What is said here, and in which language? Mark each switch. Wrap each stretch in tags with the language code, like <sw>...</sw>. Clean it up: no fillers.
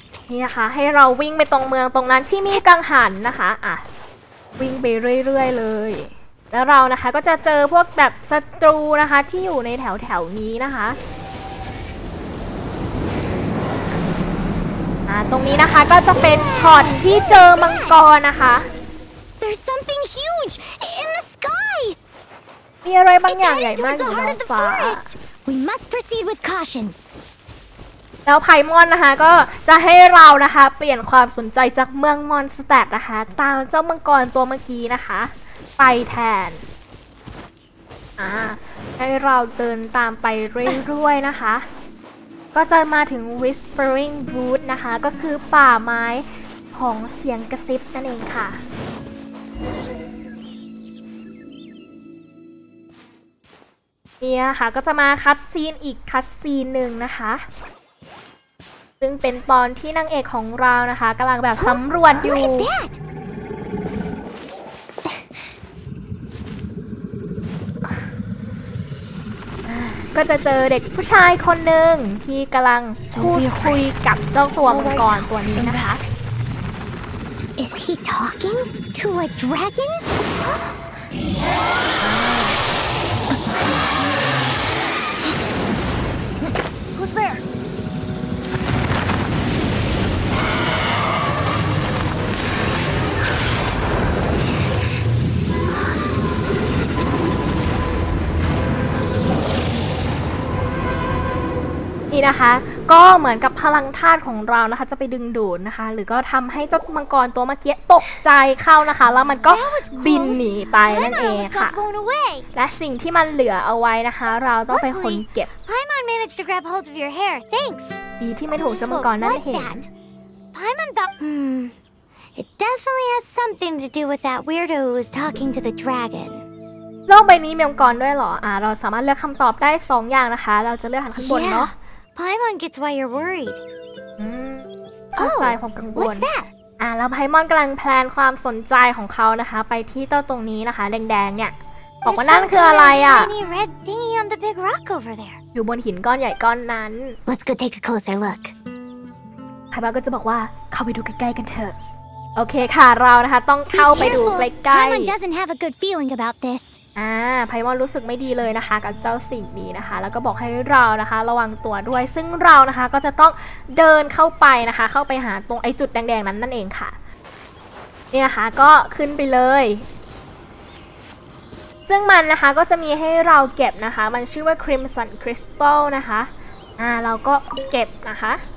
<th>นี่นะคะให้เราวิ่งไปตรงเมืองตรงนั้นที่มีกังหันนะคะวิ่งไปเรื่อยๆเลยแล้วเรานะคะก็จะเจอพวกแบบศัตรูนะคะที่อยู่ในแถวๆนี้นะคะตรงนี้นะคะก็จะเป็นช็อตที่เจอมังกรนะคะ</th> <en>There's something huge in the sky</en> <th>มีอะไรบางอย่างใหญ่มากอยู่บนฟ้า</th> <en>We must proceed with caution</en> <th>แล้วไพมอนนะคะก็จะให้เรานะคะเปลี่ยนความสนใจจากเมืองมอนสเตอร์นะคะตามเจ้ามังกรตัวเมื่อกี้นะคะไปแทนให้เราเดินตามไปเรื่อยๆนะคะก็จะมาถึง Whispering Woods นะคะก็คือป่าไม้ของเสียงกระซิบนั่นเองค่ะ นี่นะคะก็จะมาคัตซีนอีกคัตซีนหนึ่งนะคะซึ่งเป็นตอนที่นางเอกของเรานะคะกำลังแบบสำรวจอยู่ก็จะเจอเด็กผู้ชายคนหนึ่งที่กำลังพูดคุยกับเจ้าตัวมังกรตัวนี้นะคะ</th> <en>Is he talking to a dragon? Who's there?</en> <th>นี่นะคะก็เหมือนกับพลังธาตุของเรานะคะจะไปดึงดูดนะคะหรือก็ทำให้เจ้ามังกรตัวเมื่อกี้ตกใจเข้านะคะแล้วมันก็บินหนีไปนั่นเองค่ะและสิ่งที่มันเหลือเอาไว้นะคะเราต้องไปคนเก็บ</th> <en>ไพมอนแมเนจ to grab hold of your hair thanks</en> <th>ดีที่ไม่ถูกเจ้ามังกรนั่นเอง</th> <en>ไพมอน it definitely has something to do with that weirdo who was talking to the dragon</en> <th>โลกใบนี้มีมังกรด้วยเหรอเราสามารถเลือกคำตอบได้2อย่างนะคะเราจะเลือกหันข้างบนเนาะ</th> <en>Paimon gets why you're worried. Oh, what's that?</en> <th>แล้วไพมอนกำลังแพลนความสนใจของเขานะคะไปที่ต้นตรงนี้นะคะแดงๆเนี่ยบอกว่านั่นคืออะไรอ่ะ</th> <en>Shiny red thingy on the big rock over there.</en> <th>อยู่บนหินก้อนใหญ่ก้อนนั้น</th> <en>Let's go take a closer look.</en> <th>ไพมอนก็จะบอกว่าเข้าไปดูใกล้ๆกันเถอะโอเคค่ะเรานะคะต้องเข้าไปดูใกล้ๆ</th> <en>Paimon doesn't have a good feeling about this.</en> <th>ไพมอนรู้สึกไม่ดีเลยนะคะกับเจ้าสิ่งนี้นะคะแล้วก็บอกให้เรานะคะระวังตัวด้วยซึ่งเรานะคะก็จะต้องเดินเข้าไปนะคะเข้าไปหาตรงไอ้จุดแดงๆนั้นนั่นเองค่ะเนี่ยค่ะก็ขึ้นไปเลยซึ่งมันนะคะก็จะมีให้เราเก็บนะคะมันชื่อว่า Crimson Crystal นะคะเราก็เก็บนะคะ</th>